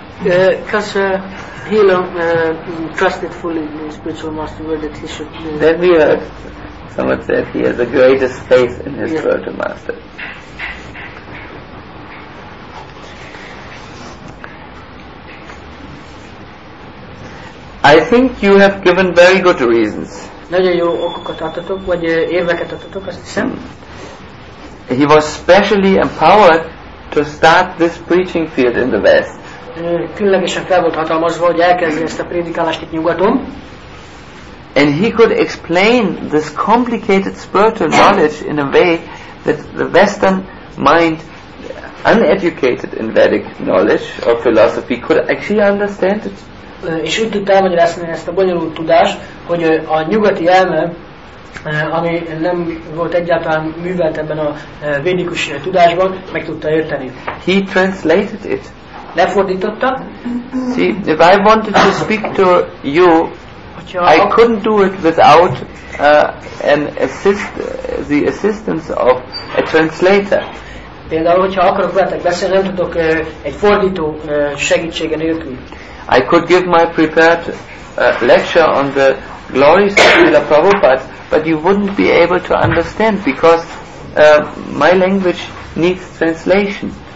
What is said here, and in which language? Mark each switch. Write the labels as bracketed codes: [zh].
[en] Because trusted fully in the spiritual master word that he should. Then we heard someone said he has the greatest faith in his spiritual master. I think you have given very good reasons. [hu] Nagyon jó okokat adtatok, vagy érveket adtatok, azt hiszem. [en] He was specially empowered to start this preaching field in the West. [hu] Különlegesen fel volt hatalmazva, hogy elkezdi ezt a prédikálást itt nyugaton. [en] And he could explain this complicated spiritual knowledge in a way that the Western mind, uneducated in Vedic knowledge or philosophy, could actually understand it. [hu] És úgy tudta elmagyarázni ezt a bonyolult tudást, hogy a nyugati elme, ami nem volt egyáltalán művelt ebben a védikus tudásban, meg tudta érteni. [en] He translated it. [hu] Lefordította. [en] See, if I wanted to speak to you, I couldn't do it without the assistance of a translator. [hu] Például, hogyha akarok veletek beszélni, nem tudok egy fordító segítsége nélkül. [en] I could give my prepared lecture on the glories of Srila Prabhupada, but you wouldn't be able to understand because my language needs translation.